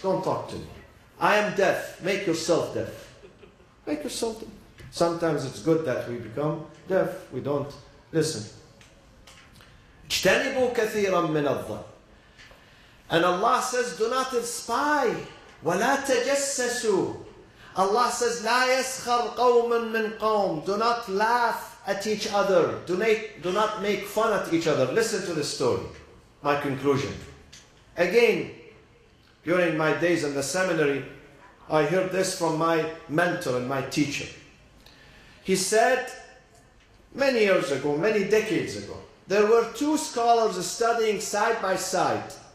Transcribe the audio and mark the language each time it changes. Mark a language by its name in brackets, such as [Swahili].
[English] Don't talk to me. I am deaf. Make yourself deaf. Make yourself deaf. Sometimes it's good that we become deaf. We don't listen. [Arabic] اجتنبوا كثيرا من الظن. [English] And Allah says, do not spy. [Arabic] ولا تجسسوا. [English] Allah says, [Arabic] لا يسخر قوم من قوم. [English] Do not laugh at each other. Do not make fun at each other. Listen to this story. My conclusion. Again, during my days in the seminary, I heard this from my mentor and my teacher. He said, many years ago, many decades ago, there were two scholars studying side by side.